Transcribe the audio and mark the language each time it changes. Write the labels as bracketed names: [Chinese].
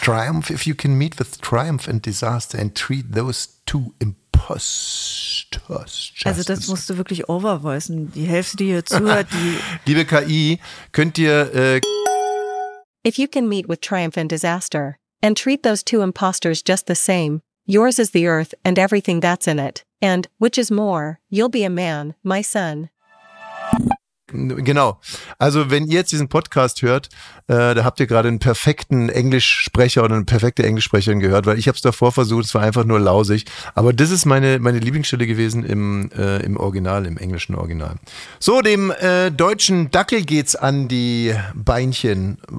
[English] Triumph, if you can meet with Triumph and Disaster and treat those two imposters. [German] Also das musst du wirklich overvoicen, die Hälfte, die hier zuhört. Die liebe KI, könnt ihr... [English] If you can meet with Triumph and Disaster and treat those two imposters just the same, yours is the earth and everything that's in it, and, which is more, you'll be a man, my son. [German] Genau. Also wenn ihr jetzt diesen Podcast hört, da habt ihr gerade einen perfekten Englischsprecher oder eine perfekte Englischsprecherin gehört, weil ich habe es davor versucht, es war einfach nur lausig. Aber das ist meine Lieblingsstelle gewesen im Original, im englischen Original. So, dem deutschen Dackel geht's an die Beinchen.